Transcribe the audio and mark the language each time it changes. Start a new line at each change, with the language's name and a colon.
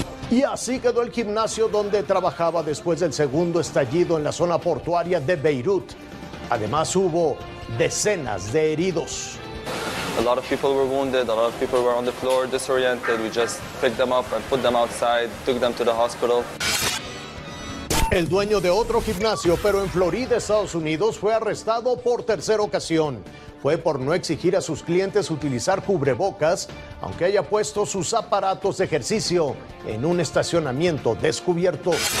Spanish: Y así quedó el gimnasio donde trabajaba después del segundo estallido en la zona portuaria de Beirut. Además, hubo decenas de heridos.
English: A lot of people were wounded, a lot of people were on the floor, disoriented. We just picked them up and put them outside, took them to the hospital.
Spanish: El dueño de otro gimnasio, pero en Florida, Estados Unidos, fue arrestado por tercera ocasión. Fue por no exigir a sus clientes utilizar cubrebocas, aunque haya puesto sus aparatos de ejercicio en un estacionamiento descubierto.